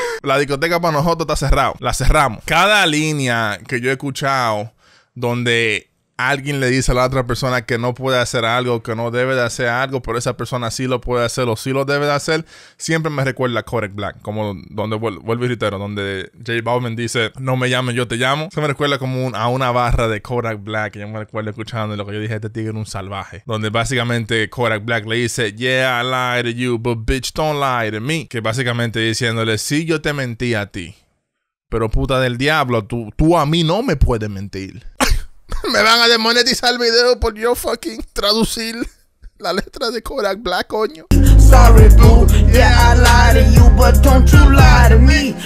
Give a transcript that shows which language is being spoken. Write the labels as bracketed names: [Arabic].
[Spanish] La discoteca para nosotros está cerrado. La cerramos. Cada línea que yo he escuchado donde alguien le dice a la otra persona que no puede hacer algo, que no debe de hacer algo, pero esa persona sí lo puede hacer o sí lo debe de hacer, siempre me recuerda a Kodak Black. Como donde, vuelvo y reitero, donde J Balvin dice, no me llames, yo te llamo. Se me recuerda como a una barra de Kodak Black. Yo me recuerdo escuchando lo que yo dije, este tigre es un salvaje. Donde básicamente Kodak Black le dice, [English] yeah, I lied to you, but bitch, don't lie to me. [Spanish] Que básicamente diciéndole, sí, yo te mentí a ti, pero puta del diablo, tú a mí no me puedes mentir. Me van a desmonetizar el video por yo fucking traducir la letra de Kodak Black, coño. [English] Sorry, boo. Yeah, I lied to you, but don't you lie to me.